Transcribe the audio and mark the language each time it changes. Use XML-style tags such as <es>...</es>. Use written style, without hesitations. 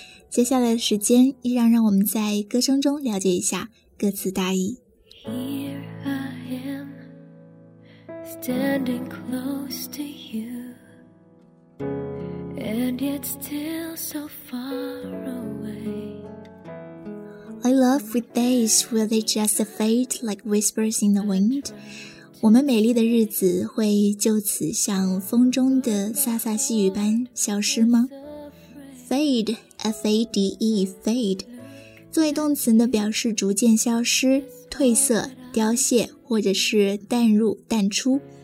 <zh>接下来的时间依然让我们在歌声中了解一下歌词大意。</zh> <en>Here I am, standing close to you, and yet still so far away. I love with days where they just fade like whispers in the wind.</en> <zh>我们美丽的日子会就此像风中的飒飒细雨般消失吗？</zh> <en>Fade, F-A-D-E, fade.</en> <zh>作为动词呢，表示逐渐消失、褪色、凋谢，或者是淡入、淡出。</zh>